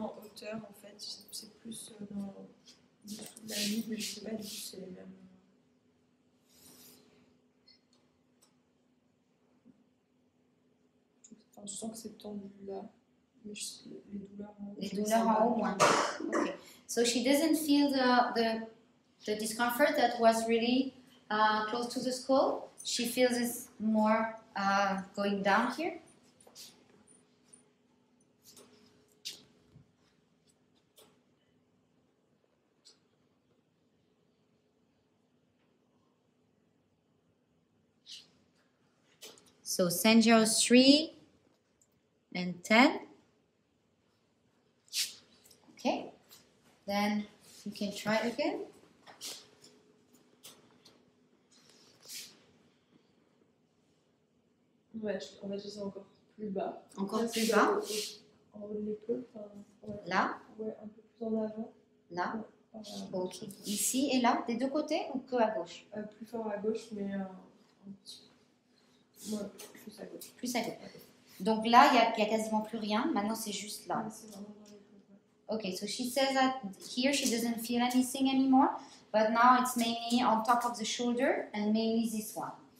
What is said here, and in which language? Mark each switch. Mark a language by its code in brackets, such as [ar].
[fr] En hauteur en fait, c'est plus dans la nuque, mais je sais pas si c'est les mêmes. Je sens que c'est tendu là, mais les douleurs en haut. Okay. [en] So she doesn't feel the discomfort that was really close to the skull. She feels it more going down here. So send your 3. And 10. Okay, then you can try again. [fr] Ouais, on va juste encore plus bas. Encore plus bas. En haut de l'épaule. Ouais. Là. Ouais, un peu plus en avant. Là. Ouais, ok. Ici et là, des deux côtés ou que à gauche? Plus fort à gauche, mais plus à gauche. Plus à gauche. Donc là, il n'y a quasiment plus rien. Maintenant, c'est juste là. [en] Ok, so she says that here she doesn't feel anything anymore, but now it's mainly on top of the shoulder and mainly this one.